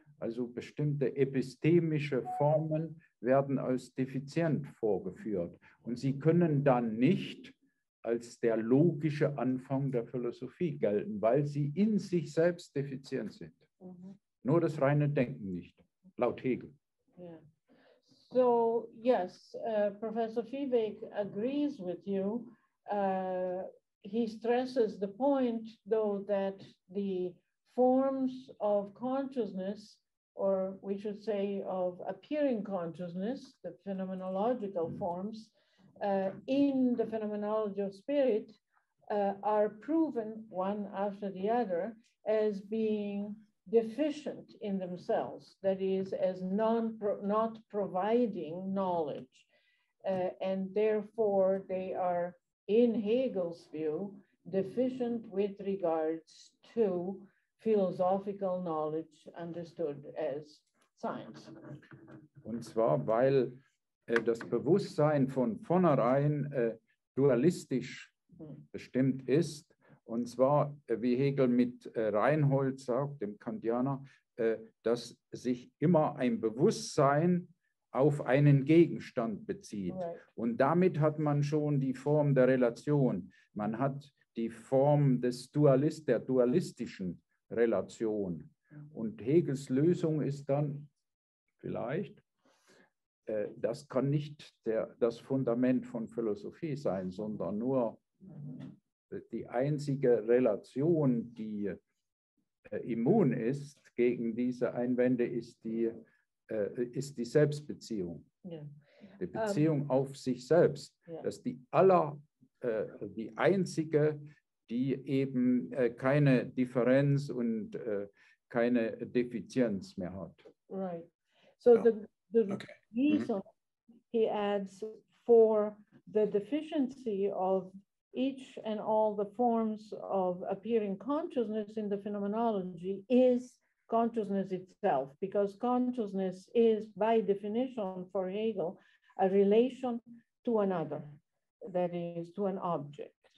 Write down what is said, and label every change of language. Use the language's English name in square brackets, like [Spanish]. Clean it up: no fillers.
[German] Also bestimmte epistemische Formen werden als defizient vorgeführt. Und sie können dann nicht als der logische Anfang der Philosophie gelten, weil sie in sich selbst defizient sind. Mhm. Nur das reine Denken nicht, laut Hegel. [English] Yeah. So yes, Professor Vieweg agrees with you. He stresses the point, though, that the forms of consciousness, or we should say of appearing consciousness, the phenomenological forms in the phenomenology of spirit are proven one after the other as being deficient in themselves, that is, as not providing knowledge. And therefore, they are, in Hegel's view, deficient with regards to philosophical knowledge understood as science. [German] Und zwar, weil das Bewusstsein von vornherein dualistisch bestimmt ist. Und zwar, wie Hegel mit Reinhold sagt, dem Kantianer, dass sich immer ein Bewusstsein auf einen Gegenstand bezieht. [English] Right. [German] Und damit hat man schon die Form der Relation. Man hat die Form des der dualistischen Relation. Und Hegels Lösung ist dann vielleicht, das kann nicht das Fundament von Philosophie sein, sondern nur die einzige Relation, die immun ist gegen diese Einwände, ist die Selbstbeziehung. [English] Yeah. [German] Die Beziehung auf sich selbst. [English] Yeah. [German] Das ist die einzige, die eben keine Differenz und keine Defizienz mehr hat. [English] Right. So ja. the okay. reason he adds for the deficiency of each and all the forms of appearing consciousness in the phenomenology is consciousness itself, because consciousness is, by definition for Hegel, a relation to another, that is, to an object.